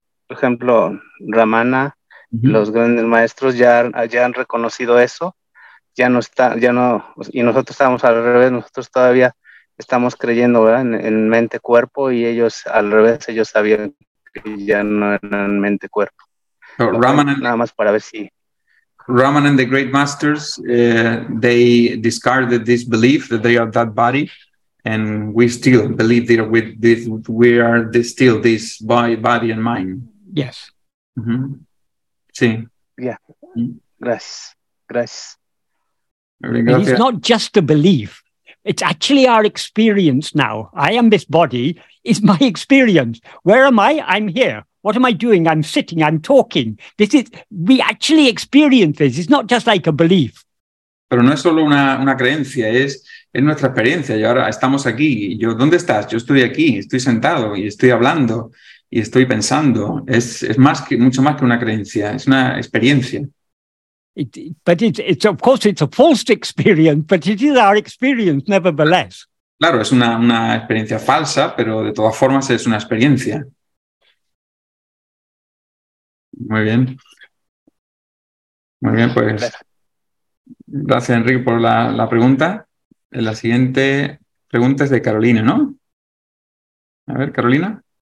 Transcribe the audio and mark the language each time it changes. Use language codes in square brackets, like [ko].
[es] Por ejemplo, Ramana, los grandes maestros ya han reconocido eso. Ya no está, ya no, y nosotros estamos al revés, nosotros todavía estamos creyendo, ¿verdad? En mente-cuerpo, y ellos al revés, ellos sabían que ya no eran mente-cuerpo. [en] Raman and the great masters, they discarded this belief that they are that body, and we still believe that we are still this body and mind. Yes. [es] Mm-hmm. Sí. [en] Yeah. [es] Gracias. Gracias. [en] It's not just a belief. It's actually our experience now. I am this body. It's my experience. Where am I? I'm here. What am I doing? I'm sitting, I'm talking. This is, we actually experience this. It's not just like a belief. [es] Pero no es solo una creencia, es nuestra experiencia. Y ahora estamos aquí. Yo, ¿dónde estás? Yo estoy aquí, estoy sentado y estoy hablando y estoy pensando. Es más que, mucho más que una creencia, es una experiencia. [en] But it's of course it's a false experience, but it is our experience nevertheless. [es] Claro, es una experiencia falsa, pero de todas formas es una experiencia. Muy bien. Muy bien, pues. Gracias, Enrique, por la pregunta. La siguiente pregunta es de Carolina, ¿no? A ver, Carolina.